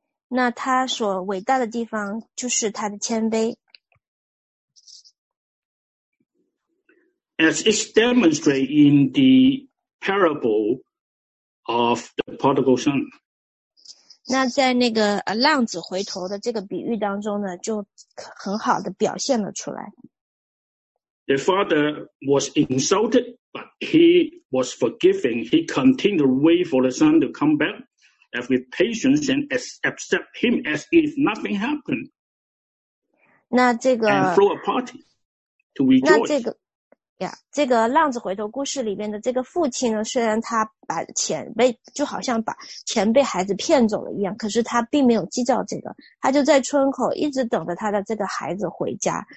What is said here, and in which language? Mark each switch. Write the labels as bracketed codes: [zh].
[zh] 那他所伟大的地方就是他的谦卑。 [en] As it's demonstrated in the parable of the prodigal son. [zh] 那在那个浪子回头的这个比喻当中呢，就很好的表现了出来。 [en] The father was insulted, but he was forgiving. He continued to wait for the son to come back with patience and accept him as if nothing happened. [zh] 那这个 [en] and throw a party to rejoice. [zh] 那这个Yeah, 这个浪子回头故事里面的这个父亲呢，虽然他把钱被就好像把钱被孩子骗走了一样，可是他并没有计较这个，他就在村口一直等着他的这个孩子回家。